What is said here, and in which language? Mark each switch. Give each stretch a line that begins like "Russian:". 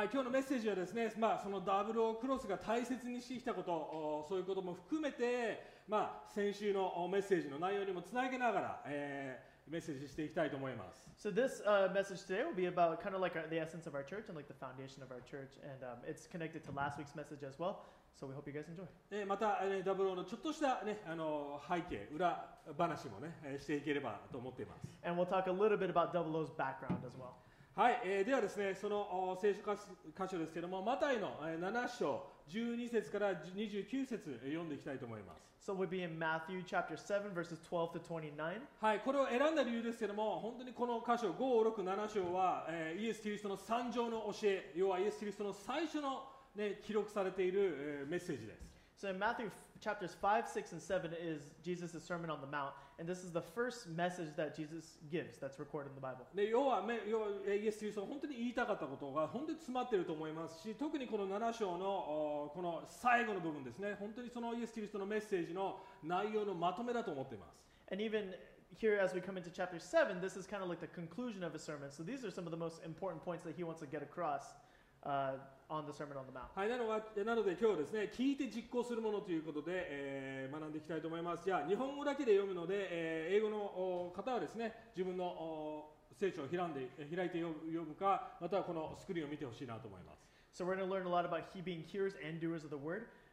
Japanese: はい、今日のメッセージはですね、まあ、そのダブルオークロスが大切にしてきたこと、そういうことも含めて、まあ、先週のメッセージの内容にもつなげながら、メッセージしていきたいと思います。
English: So this message today will be about kind of like the essence of our church and like the foundation of our church, and it's connected to last week's message as well. So we hope you guys enjoy.
Japanese: また、ダブルオーのちょっとした、ね、背景、裏話もね、していければと思っています。
English: And we'll talk a little bit about Double O's background as well.
Japanese: はい、ではですね、その聖書箇所ですけれども、マタイの7章12節から29節読んでいきたいと思います。
English: So we'll be in Matthew chapter 7 verses 12 to 29.
Japanese: はい、これを選んだ理由ですけれども、本当にこの箇所5、6、7章は、イエス・キリストの三条の教え、要はイエス・キリストの最初の、ね、記録されている、メッセージです。
English: So in Matthew chapters 5, 6, and 7 is Jesus' Sermon on the Mount. And this is the first message that Jesus gives that's recorded in the Bible.
Japanese: で、要は、イエス・キリスト本当に言いたかったことが本当に詰まっていると思いますし、特にこの7章のこの最後の部分ですね、本当にそのイエス・キリストのメッセージの内容のまとめだと思っています。
English: And even here as we come into chapter 7, this is kind of like the conclusion of his sermon. So these are some of the most important points that he wants to get across. On the Sermon on the Mount.
Japanese: はい、なので今日ですね、聞いて実行するものということで、学んでいきたいと思います。じゃあ日本語だけで読むので、英語の方はですね、自分の聖書を開いて読むか、またはこのスクリーンを見てほしいなと思います。
English: So we're going to learn a lot about he being hearers and doers of the word.